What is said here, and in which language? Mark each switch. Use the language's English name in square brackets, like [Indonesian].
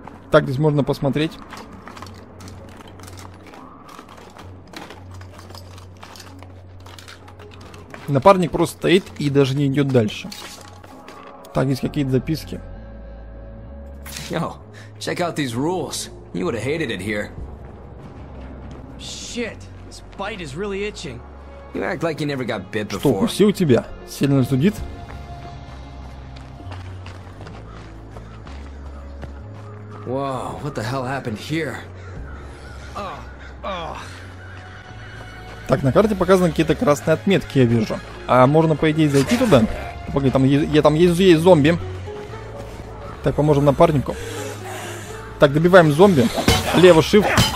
[Russian] Так, здесь можно посмотреть. Напарник просто стоит и даже не идет дальше. Так, есть какие-то записки. [English] Yo, check out these rules. You would have hated it here. Shit, this bite is really itching. You act like you never got bit before. [Russian] Что, укусил тебя? Сильно зудит? [English] Whoa, what the hell happened here? [Russian] Так, на карте показаны какие-то красные отметки, я вижу. А можно, по идее, зайти туда? Погоди, там, есть зомби. Так, поможем напарнику. Так, добиваем зомби. Лево shift.